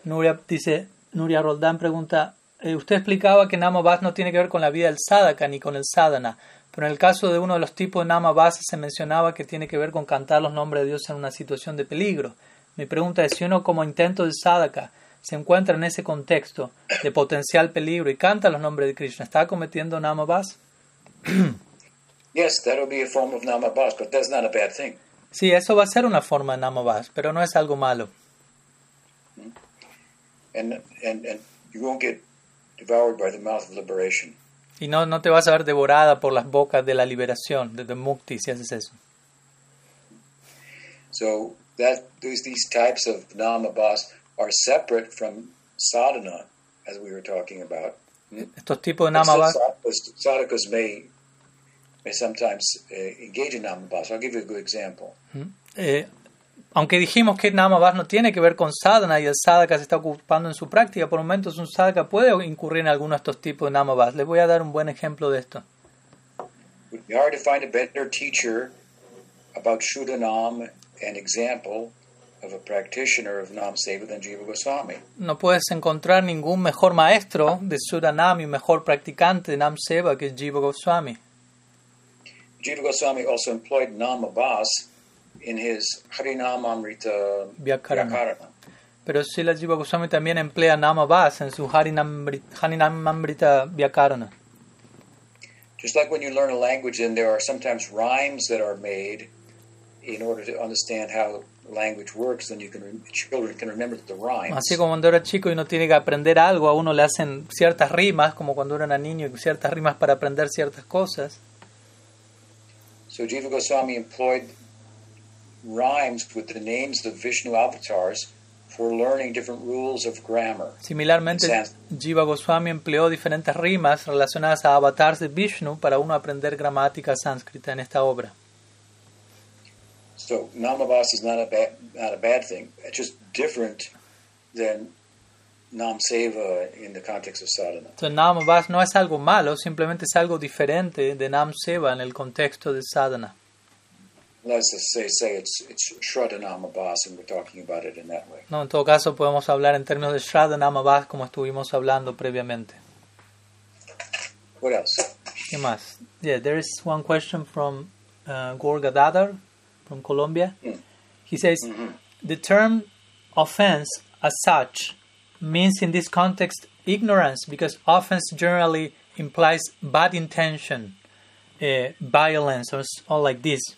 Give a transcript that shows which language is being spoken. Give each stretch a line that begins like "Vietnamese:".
Spanish: Nuria Roldán pregunta, usted explicaba que Namabhas no tiene que ver con la vida del sadhaka ni con el sadhana, pero en el caso de uno de los tipos de Namabhas se mencionaba que tiene que ver con cantar los nombres de Dios en una situación de peligro. Mi pregunta es, si uno como intento de sadhaka se encuentra en ese contexto de potencial peligro y canta los nombres de Krishna, ¿está cometiendo Namabhas?
English: Yes, that will be a form of Namabhas, but that's not a bad thing.
Spanish: Sí, eso va a ser una forma de Namabhas, pero no es algo malo.
English: And you won't get devoured by the mouth of liberation.
Spanish: Y no, no te vas a ver devorada por las bocas de la liberación, de Mukti, si haces eso.
English: So that these types of namabhas are separate from sadhana, as we were talking about.
Spanish: Estos tipos de namabhas.
English: Sadhakas may sometimes engage in namabhas. I'll give you a good example.
Spanish: Aunque dijimos que namabhas no tiene que ver con sadhana y el sadhaka se está ocupando en su práctica, por momentos un sadhaka puede incurrir en alguno de estos tipos de namabhas. Les voy a dar un buen ejemplo de esto.
English: Would be hard to find a better teacher about Shuddhanam, an example of a practitioner of Nam Seva, than Jiva Goswami.
Spanish: No puedes encontrar ningún mejor maestro de Suddhanam y mejor practicante de Nam Seva que Jiva Goswami.
English: Jiva Goswami also employed namabhas in his Harinamamrita Vyakarana.
Spanish: Pero Srila Jiva Goswami también emplea namabhas en su Harinamamrita Vyakarana.
English: Just like when you learn a language, then there are sometimes rhymes that are made in order to understand how language works, then children can remember the rhymes.
Spanish: Así como cuando era chico y uno tiene que aprender algo, a uno le hacen ciertas rimas, como cuando uno era niño, ciertas rimas para aprender ciertas cosas.
English: So Jiva Goswami employed rhymes with the names of Vishnu avatars for learning different rules of grammar.
Spanish: Similarmente, Jiva Goswami empleó diferentes rimas relacionadas a avatars de Vishnu para uno aprender gramática sánscrita en esta obra.
English: So namabhas is not a bad thing. It's just different than nam seva in the context of sadhana.
Spanish: So namabhas no es algo malo, simplemente es algo diferente de nam seva en el contexto de sadhana.
English: Let's just say it's shraddha namabhas, and we're talking about it in that way.
Spanish: No, en todo caso podemos hablar en términos de shraddha namabhas como estuvimos hablando previamente.
English: What else?
Spanish: ¿Qué más?
English: Yeah, there is one question from Gorga Dadar from Colombia. He says, the term offense as such means in this context ignorance, because offense generally implies bad intention, violence, or like this.